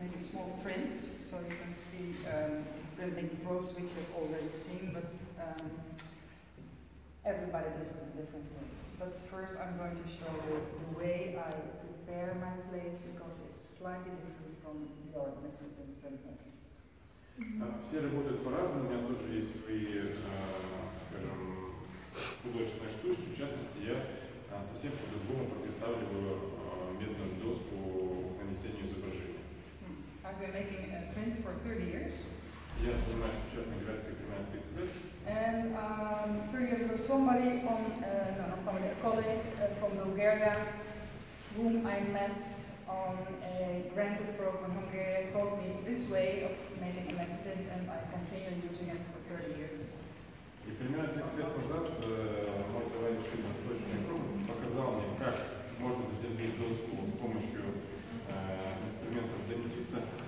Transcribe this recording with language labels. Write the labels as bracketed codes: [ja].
[en] small print, so you can see printing pros, which you've already seen, but everybody does it a different way. But first I'm going to show you the way I prepare my plates, because it's slightly different from your method of printing. [ru] Все работают по-разному, у меня тоже есть свои, скажем, художественные штучки. В частности, я совсем по-другому подготавливаю медную доску к нанесению изображения. [en] I've been making a print for 30 years. [ru] Я занимаюсь печатной графикой примерно 30 лет. [en] And 30 years ago somebody from, not somebody, a colleague from Bulgaria, whom I met on a grant program in Hungary, taught me this way of making a metal print, and I continued using it for 30 years. [ru] И примерно 30 лет назад мой товарищ из Восточной Европы показал мне, как можно заземлить доску с помощью инструментов дентиста.